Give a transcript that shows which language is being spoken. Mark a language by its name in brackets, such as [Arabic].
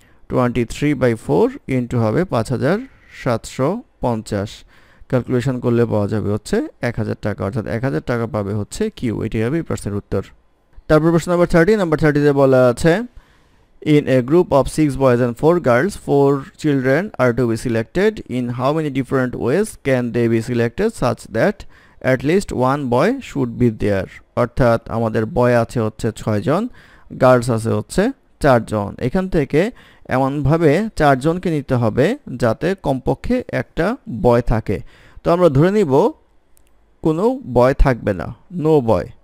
[Bangla] 23/4 into হবে 5750 calculation করলে পাওয়া যাবে হচ্ছে 1000 টাকা অর্থাৎ 1000 টাকা পাবে হচ্ছে q এটাই হবে প্রশ্নের উত্তর তারপর প্রশ্ন নাম্বার 30 নাম্বার 30 তে বলা আছে [English] In a group of 6 boys and 4 girls, 4 children are to be selected. In how many different ways can they be selected such that at least one boy should be there? [Bangla] অর্থাৎ আমাদের boy আছে হচ্ছে 6 জন, girls আছে হচ্ছে 4 জন। এখান থেকে এমন ভাবে 4 জনকে নিতে হবে যাতে কমপক্ষে একটা boy থাকে। তো আমরা ধরে নিব কোনো boy থাকবে না, no boy।